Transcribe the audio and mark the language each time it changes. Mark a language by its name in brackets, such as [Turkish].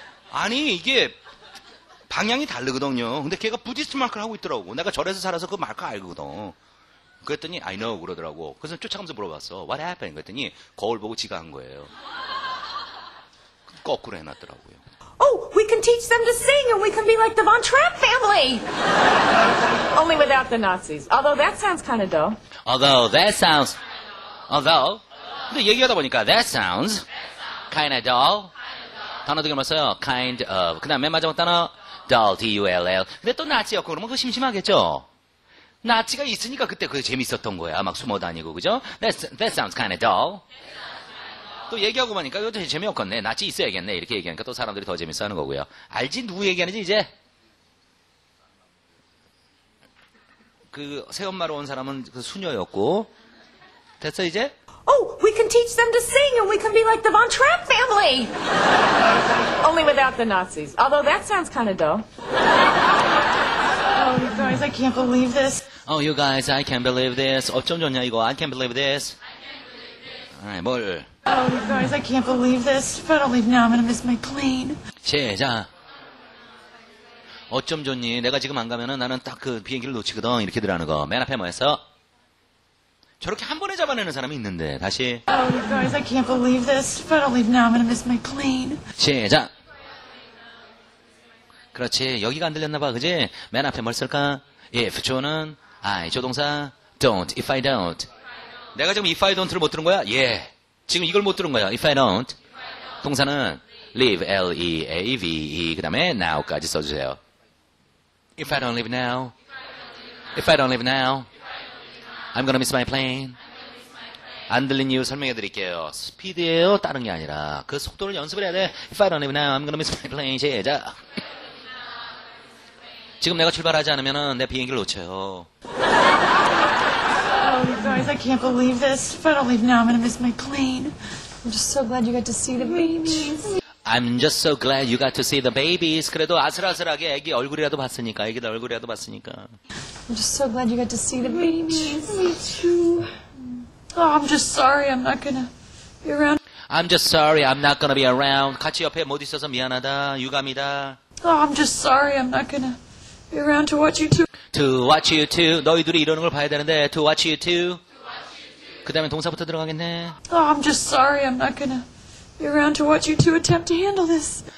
[Korean] 아니 이게 방향이 다르거든요. 근데 걔가 부디스트 마크를 하고 있더라고. 내가 절에서 살아서 그 마크 알거든. 그랬더니 [English] I know [Korean] 그러더라고. 그래서 쫓아가면서 물어봤어. [English] What happened? [Korean] 그랬더니 거울 보고 지가 한 거예요. 거꾸로 해놨더라고요. [English] Oh, we can teach them to sing and we can be like the Von Trapp family. Only without the Nazis. Although that sounds kind of dull. Although that sounds... Although... [Korean] 근데 얘기하다 보니까 [English] that sounds kind of dull. [Korean] 단어 두 개만 써요. [English] Kind of. [Korean] 그 다음 맨 마지막 단어. [English] Dull, D-U-L-L. [Korean] 근데 또 나치였고 그러면 그거 심심하겠죠? 나치가 있으니까 그때 그게 재밌었던 거야. 막 숨어 다니고, 그죠? [English] That sounds kind of dull. [Korean] 또 얘기하고 보니까 이것도 재미없겠네. 나치 있어야겠네. 이렇게 얘기하니까 또 사람들이 더 재밌어 하는 거고요. 알지? 누구 얘기하는지 이제? 그 새엄마로 온 사람은 그 수녀였고. 됐어, 이제? [English] Oh, we can teach them to sing and we can be like the Von Trapp family. Only without the Nazis. Although that sounds kind of dull. Oh, you guys, I can't believe this. Oh, you guys, I can't believe this. [Korean] 어쩜 좋냐, 이거. [English] I can't believe this. Alright, 뭘. Oh, you guys, I can't believe this. If I don't leave now, I'm gonna miss my plane. [Korean] 시작. 어쩜 좋니? 내가 지금 안 가면은 나는 딱 그 비행기를 놓치거든. 이렇게들 하는 거. 맨 앞에 뭐였어? 저렇게 한 번에 잡아내는 사람이 있는데 다시. [English] Oh, you guys, I can't believe this. If I don't leave now, I'm gonna miss my plane. [Korean] 시작. 그렇지. 여기가 안 들렸나 봐, 그지? 맨 앞에 뭘 쓸까? If 조는 I 조동사 [English] don't, if I don't. [Korean] 내가 지금 if I don't를 못 들은 거야? 예. Yeah. 지금 이걸 못 들은 거야. [English] If I don't. 동사는 leave, L-E-A-V-E, [Korean] 그 다음에 [English] now까지 [Korean] 써주세요. [English] If I don't leave now. If I don't leave now. I'm gonna miss my plane. [Korean] 안 들린 이유 설명해 드릴게요. 스피드예요, 다른 게 아니라. 그 속도를 연습을 해야 돼. [English] If I don't leave now, I'm gonna miss my plane. [Korean] 시작. 지금 내가 출발하지 않으면 내 비행기를 놓쳐요. [English] Oh, you guys, I can't believe this. If I don't leave now, I'm gonna miss my plane. I'm just so glad you got to see the babies. I'm just so glad you got to see the babies. [Korean] 그래도 아슬아슬하게 아기 얼굴이라도 봤으니까, 아기 얼굴이라도 봤으니까. [English] I'm just so glad you got to see the babies. Me too. Oh, I'm just sorry. I'm not gonna be around. I'm just sorry. I'm not gonna be around. [Korean] 같이 옆에 못 있어서 미안하다. 유감이다. [English] Oh, I'm just sorry. I'm not gonna be around to watch you too. To watch you too. [Korean] 너희 둘이 이러는 걸 봐야 되는데. [English] To watch you too. [Korean] 그 다음에 동사부터 들어가겠네. [English] Oh, I'm just sorry. I'm not gonna be around to watch you too attempt to handle this.